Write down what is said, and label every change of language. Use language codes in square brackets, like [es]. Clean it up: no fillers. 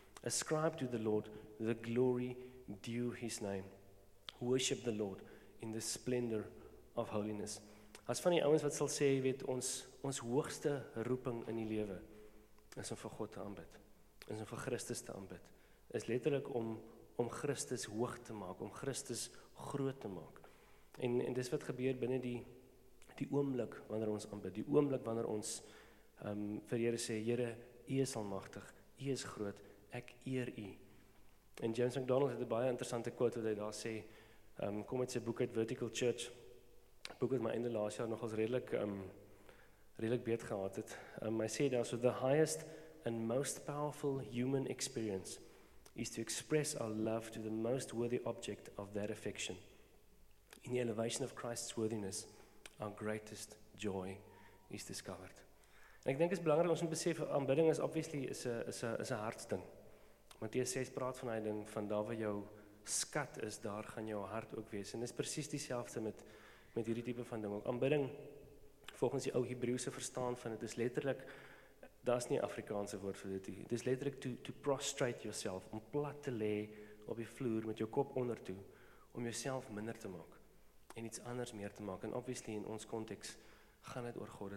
[en] Ascribe to the Lord the glory due his name. Worship the Lord in the splendor of holiness. [af] As van die ouens wat sal sê, weet ons hoogste roeping in die lewe is om vir God te aanbid. Is om vir Christus te aanbid. Is letterlik om Christus hoog te maak, om Christus groot te maak. En dis wat gebeur binne die oomblik wanneer ons aanbid, die oomblik wanneer ons vir Here sê, Here, U is almagtig, U is groot, ek eer U. En James McDonald het 'n baie interessante quote wat hy daar sê, kom uit sy boek uit Vertical Church, boek wat my einde laas jaar nogals redelik beet gehad het. Hy sê daar, [en] so the highest and most powerful human experience is to express our love to the most worthy object of that affection. In the elevation of Christ's worthiness, our greatest joy is discovered. [af] En ek dink is belangrik ons moet besef, aanbidding is obviously is a hartsding. Matteus 6 praat van hierdie ding, van daar waar jou skat is, daar gaan jou hart ook wees. En is presies dieselfde met hierdie tipe van ding. Aanbidding, volgens die ou Hebreëse verstaan van dit, is letterlik, daar's nie 'n Afrikaanse woord vir dit nie. Dit is letterlik [en] to prostrate yourself, [af] om plat te lê op die vloer met jou kop ondertoe, om jouself minder te maak en iets anders meer te maak. En obviously in ons konteks gaan dit oor God.